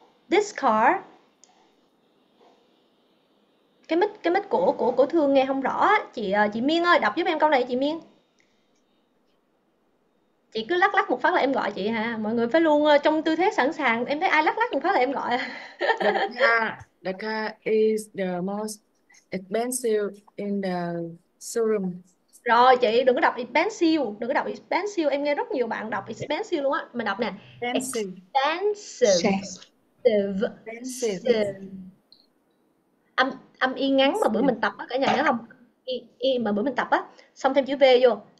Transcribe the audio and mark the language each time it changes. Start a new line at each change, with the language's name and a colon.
English: This car,
Vietnamese: cái mic của Thương nghe không rõ. Chị Miên ơi, đọc giúp em câu này chị Miên. Chị cứ lắc lắc một phát là em gọi chị hả? Mọi người phải luôn trong tư thế sẵn sàng. Em thấy ai lắc lắc một phát là em gọi.
English: The car is the most expensive in the showroom.
Vietnamese: Rồi chị đừng có đọc expensive, đừng có đọc expensive. Em nghe rất nhiều bạn đọc expensive luôn á. Mình đọc nè.
English: Expensive.
Vietnamese: Âm y ngắn mà bữa mình tập á, cả nhà nhớ không? Y mà bữa mình tập á, xong thêm chữ V vô.